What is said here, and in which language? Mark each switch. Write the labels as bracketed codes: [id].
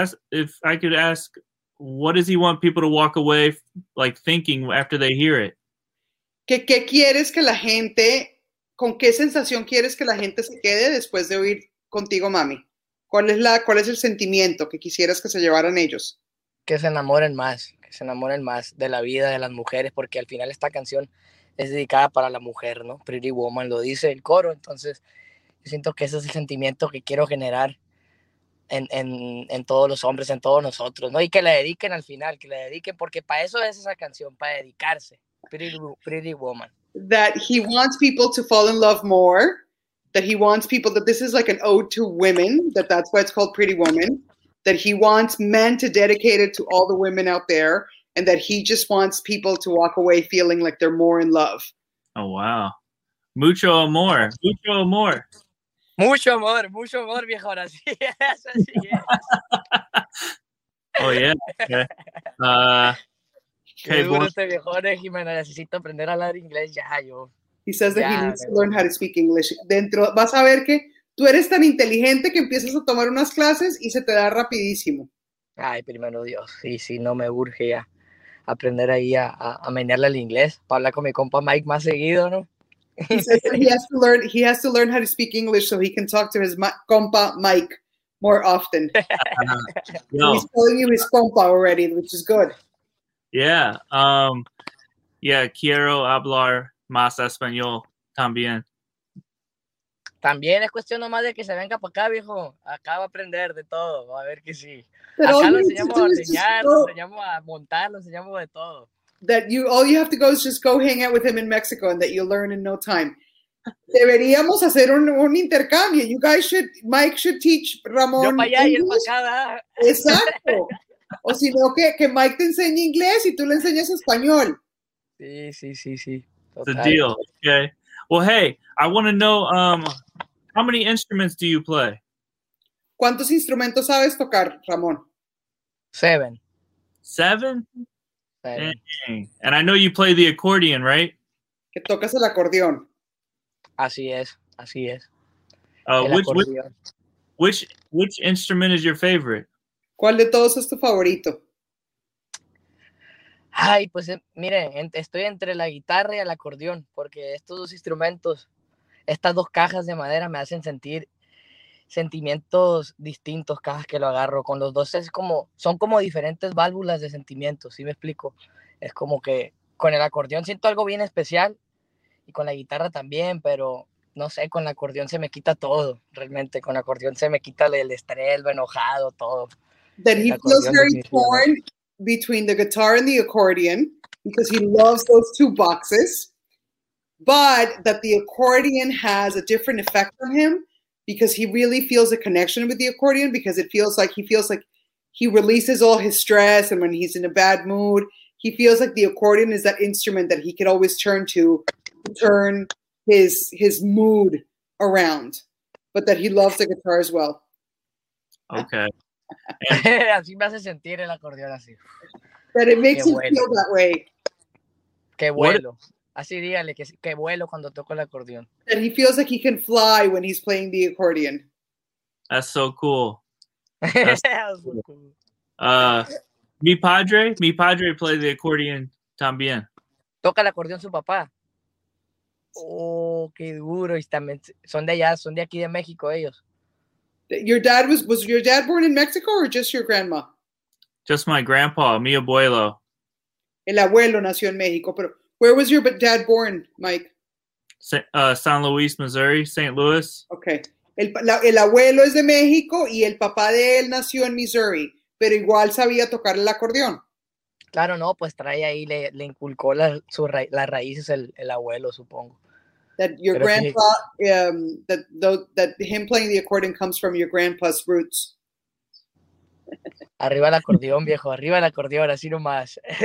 [en] If I could ask, what does he want people to walk away like thinking after they hear it? [es] ¿Qué quieres que la gente, con qué sensación quieres que la gente se quede después de oír Contigo, Mami? ¿Cuál es el sentimiento que quisieras que se llevaran ellos? Que se enamoren más de la vida de las mujeres, porque al final esta canción es dedicada para la mujer, ¿no? Pretty Woman lo dice el coro, entonces yo siento que ese es el sentimiento que quiero generar en todos los hombres, en todos nosotros, ¿no? Y que la dediquen al final, que la dediquen, porque para eso es esa canción, para dedicarse. [en] Pretty Woman. That he wants people to fall in love more, that he wants people, that this is like an ode to women, that's why it's called Pretty Woman, that he wants men to dedicate it to all the women out there, and that he just wants people to walk away feeling like they're more in love. Oh, wow. [es] Mucho amor. Mucho amor. Mucho amor. Mucho amor, viejo. Así es. Así es. [en] Oh, yeah. Okay. [es] Okay, bueno. Este viejo, Jimena, necesito aprender a hablar inglés ya, yo. [en] He says that he needs to learn how to speak English. [es] Dentro, vas a ver que tú eres tan inteligente que empiezas a tomar unas clases y se te da rapidísimo. Ay, primero Dios. Sí, no me urge ya. Aprender ahí a menearle el inglés para hablar con mi compa Mike más seguido, ¿no? [en] He has to learn how to speak English so he can talk to his compa Mike more often. He's calling you his compa already, which is good. Yeah. Yeah, [es] quiero hablar más español también. También es cuestión nomás de que se venga para acá, viejo. Acá va a aprender de todo. Va a ver que sí. [en] But [es] acá lo enseñamos a ordeñar, lo enseñamos a montar, lo enseñamos de todo. [en] That you, all you have to go is just go hang out with him in Mexico and that you'll learn in no time. [es] Deberíamos hacer un intercambio. [en] You guys should, Mike should teach Ramón. [es] Yo para allá [en] English. [es] Y él para acá, ¿verdad? Exacto. O si no, que Mike te enseñe inglés y tú le enseñes español. Sí. [en] It's a deal. Okay. Well, hey, I want to know, how many instruments do you play? [es] ¿Cuántos instrumentos sabes tocar, Ramón? [en] Seven. Seven? Seven. And I know you play the accordion, right? [es] Que tocas el acordeón. Así es, así es. [en] Which Which instrument is your favorite? [es] ¿Cuál de todos es tu favorito? Ay, pues mire, estoy entre la guitarra y el acordeón, porque estos dos instrumentos, estas dos cajas de madera me hacen sentir sentimientos distintos cada vez que lo agarro. Con los dos es como, son como diferentes válvulas de sentimientos, ¿sí me explico? Es como que con el acordeón siento algo bien especial y con la guitarra también, pero no sé, con el acordeón se me quita todo, realmente. Con el acordeón se me quita el estrés, lo enojado, todo. [en] That he feels very torn between the guitar and the accordion because he loves those two boxes, but that the accordion has a different effect on him because he really feels a connection with the accordion because it feels like he releases all his stress, and when he's in a bad mood, he feels like the accordion is that instrument that he could always turn to turn his mood around, but that he loves the guitar as well. Okay. [es] Así me hace sentir el acordeón así. [en] But it makes me feel that way. [es] Que vuelo. [en] What? [es] Así dígale que vuelo cuando toco el acordeón. [en] And he feels like he can fly when he's playing the accordion. That's so cool. That's so cool. [es] Mi padre [en] play the accordion [es] también. Toca el acordeón su papá. Oh, qué duro. Y también son de allá, son de aquí de México ellos. [en] Your dad was your dad born in Mexico or just your grandma? Just my grandpa, [es] mi abuelo. El abuelo nació en México, pero [en] where was your dad born, [es] Mike? [en] San Luis, Missouri, St. Louis. Okay. [es] El abuelo es de México y el papá de él nació en Missouri, pero igual sabía tocar el acordeón. Claro, no, pues trae ahí, le inculcó las raíces el abuelo, supongo. [en] That your [es] pero [en] grandpa, that him playing the accordion comes from your grandpa's roots. [es] Arriba el acordeón, viejo. Arriba el acordeón, así nomás.